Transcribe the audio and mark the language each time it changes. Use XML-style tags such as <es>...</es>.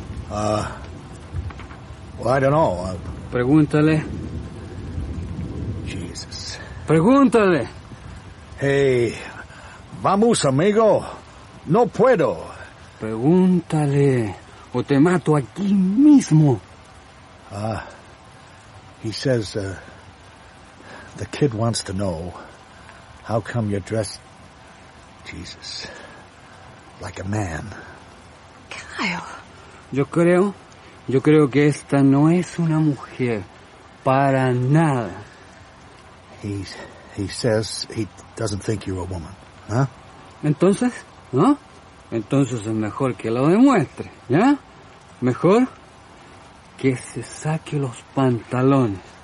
<en>Well, I don't know.</en> <es>Pregúntale.</es> <en>Jesus.</en> <es>Pregúntale.</es> <en>Hey,</en> <es>Vamos, amigo. No puedo. Pregúntale, o te mato aquí mismo.</es> <en>Ah, he says, the kid wants to know how come you're dressed, Jesus, like a man. Kyle.</en> <es>Yo creo que esta no es una mujer para nada.</es> <en>He says he doesn't think you're a woman, huh?</en> <es>Entonces, ¿no? Entonces es mejor que lo demuestre, ¿ya? Mejor que se saque los pantalones.</es>